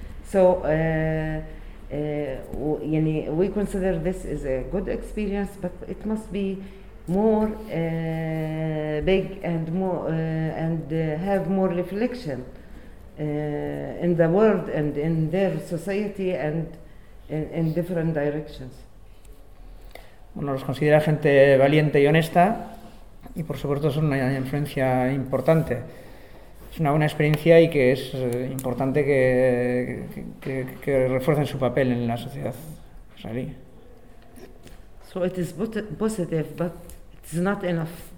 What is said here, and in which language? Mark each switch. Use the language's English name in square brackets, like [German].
[English] So we consider this is a good experience, but it must be more big and have more reflection in the world and in their society and in different directions. [Spanish] Bueno, los considera gente valiente y honesta, y por supuesto son una influencia importante. Es una buena experiencia y que es importante que refuercen su papel en la sociedad israelí. [English] So it is positive, but it's not enough.